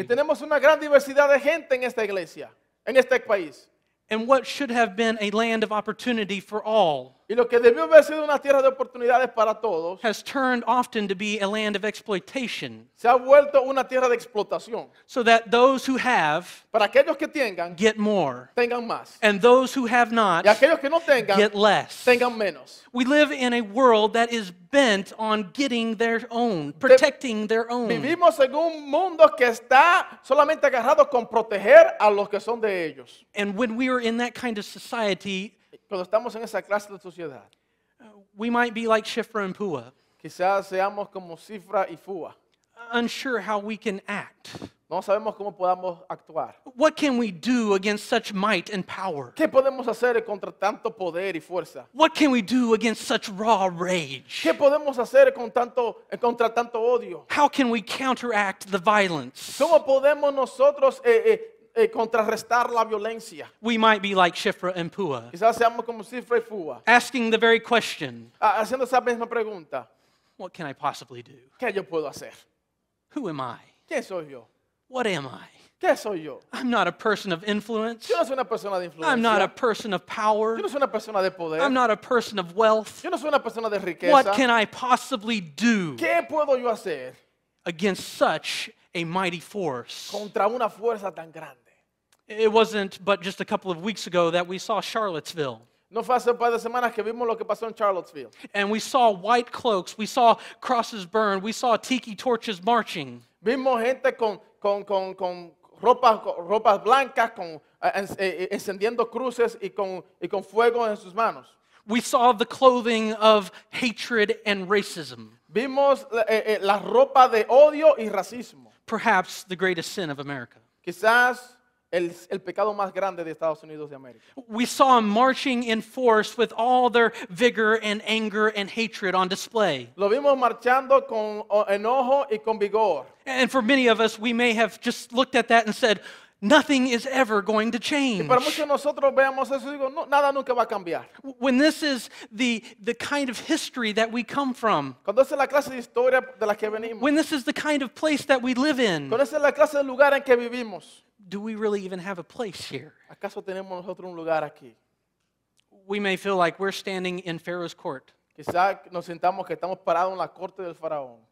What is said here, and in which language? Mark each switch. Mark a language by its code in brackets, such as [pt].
[es] Y tenemos una gran diversidad de gente en esta iglesia, en este país. [en] And what should have been a land of opportunity for all, [es] y lo que debió haber sido una tierra de oportunidades para todos, [en] has turned often to be a land of exploitation. [es] Se ha vuelto una tierra de explotación. [en] So that those who have, [es] para aquellos que tengan, [en] get more, [es] tengan más. [en] And those who have not, [es] y aquellos que no tengan, [en] get less, [es] tengan menos. [en] We live in a world that is bent on getting their own, protecting their own. [es] Vivimos en un mundo que está solamente agarrado con proteger a los que son de ellos. [en] And when we are in that kind of society, [es] cuando estamos en esa clase de sociedad, [en] we might be like Shifra and Pua. [es] Quizás seamos como Shifra y Pua. [en] Unsure how we can act. [es] No sabemos cómo podamos actuar. [en] What can we do against such might and power? [es] ¿Qué podemos hacer contra tanto poder y fuerza? [en] What can we do against such raw rage? [es] ¿Qué podemos hacer contra tanto odio? [en] How can we counteract the violence? [es] ¿Cómo podemos nosotros contrarrestar la violencia? [en] We might be like Shifra and Pua. [es] Quizás seamos como Shifra y Pua. [en] Asking the very question. [es] Haciendo esa misma pregunta. [en] What can I possibly do? [es] ¿Qué yo puedo hacer? [en] Who am I? [es] ¿Quién soy yo? [en] What am I? [es] ¿Qué soy yo? [en] I'm not a person of influence. [es] Yo no soy una persona de influencia. [en] I'm not a person of power. [es] Yo no soy una persona de poder. [en] I'm not a person of wealth. [es] Yo no soy una persona de riqueza. [en] What can I possibly do? [es] ¿Qué puedo yo hacer? [en] Against such a mighty force. [es] Contra una fuerza tan grande. [en] It wasn't but just a couple of weeks ago that we saw Charlottesville. [es] No fue hace un par de semanas que vimos lo que pasó en Charlottesville. [en] And we saw white cloaks, we saw crosses burned, we saw tiki torches marching. [es] Vimos gente con ropas blancas con encendiendo cruces y con fuego en sus manos. [en] We saw the clothing of hatred and racism. [es] Vimos la ropa de odio y racismo. [en] Perhaps the greatest sin of America. [es] Quizás el pecado más grande de Estados Unidos de América. [en] We saw them marching in force with all their vigor and anger and hatred on display. [es] Lo vimos marchando con enojo y con vigor. [en] And for many of us, we may have just looked at that and said, nothing is ever going to change. [es] Y para muchos de nosotros veamos eso y digo, no, nada nunca va a cambiar. [en] When this is the kind of history that we come from. [es] Cuando esa es la clase de historia de la que venimos. [en] When this is the kind of place that we live in. [es] Cuando esa es la clase de lugar en que vivimos. [en] Do we really even have a place here? [es] ¿Acaso tenemos nosotros un lugar aquí? [en] We may feel like we're standing in Pharaoh's court. [es] Quizás nos sintamos que estamos parados en la corte del faraón.